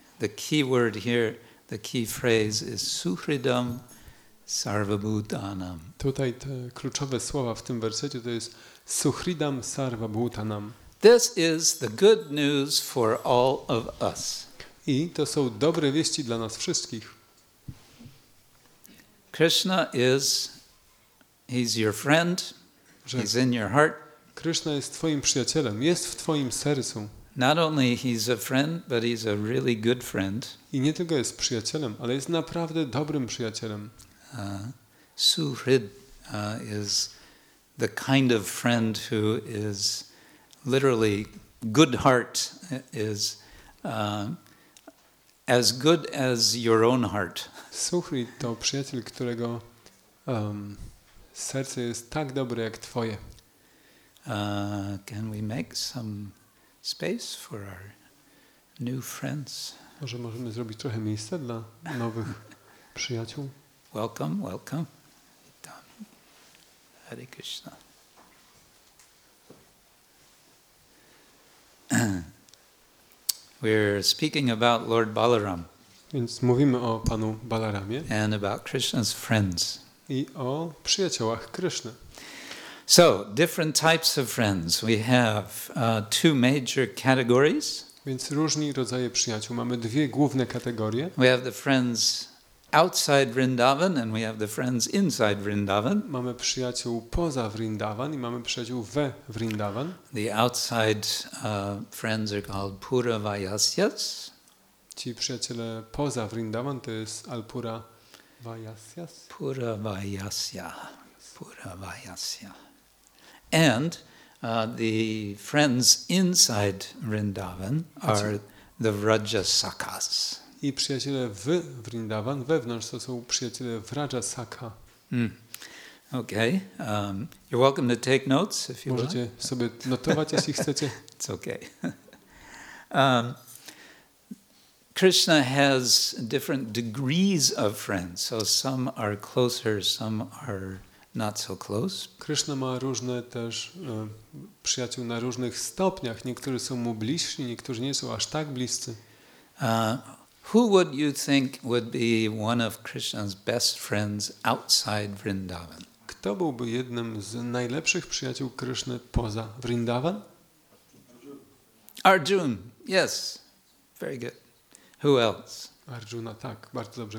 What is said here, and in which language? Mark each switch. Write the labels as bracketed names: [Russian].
[English] The key word here, the key phrase is suhridam sarvabhutanam. [Polish] Tutaj te kluczowe słowa w tym wersecie to jest suhridam sarvabhutanam. [English] This is the good news for all of us. [Polish] I to są dobre wieści dla nas wszystkich. [English] Krishna is, he's your friend, he's in your heart. [Polish] Krishna jest twoim przyjacielem, jest w twoim sercu. [English] Not only he's a friend, but he's a really good friend. [Polish] I nie tylko jest przyjacielem, ale jest naprawdę dobrym przyjacielem. [English] Suhrid is the kind of friend who is literally good heart, is as good as your own heart. [Polish] Suhrid to przyjaciel, którego serce jest tak dobre jak twoje. [English] Can we make some space for our new friends? [Polish] Może możemy zrobić trochę miejsca dla nowych przyjaciół. [English] Welcome, welcome. Hare Krishna. We're speaking about Lord Balaram. [Polish] Więc mówimy o panu Balaramie. [English] And about Krishna's friends. [Polish] I o przyjaciołach Krishny. [English] So, different types of friends. We have two major categories. [Polish] Więc różni rodzaje przyjaciół. Mamy dwie główne kategorie. [English] We have the friends outside Vrindavan and we have the friends inside Vrindavan. [Polish] Mamy przyjaciół poza Vrindavan i mamy przyjaciół we Vrindavan. [English] The outside friends are called Pura Vayasyas. [Polish] Ci przyjaciele poza Vrindavan to jest Alpura Vayasyas. [English] Pura Vayasya. Pura Vayasya. And the friends inside Vrindavan are the Vrajasakhas. [Polish] I przyjaciele w Vrindavan, wewnątrz, to są przyjaciele Vrajasakha. [English] Okay. You're welcome to take notes if you [Polish] Możecie [English] like. [Polish] Sobie notować, jeśli chcecie. [English] It's okay. Krishna has different degrees of friends. So some are closer, some are not so close. [Polish] Krishna ma różne też przyjaciół na różnych stopniach. Niektórzy są mu bliżsi, niektórzy nie są aż tak bliscy. [English] Who would you think would be one of Krishna's best friends outside Vrindavan? [Polish] Kto byłby jednym z najlepszych przyjaciół Krishny poza Vrindavan? [English] Arjun. Yes. Very good. Who else? [Polish] Arjuna, tak, bardzo dobrze.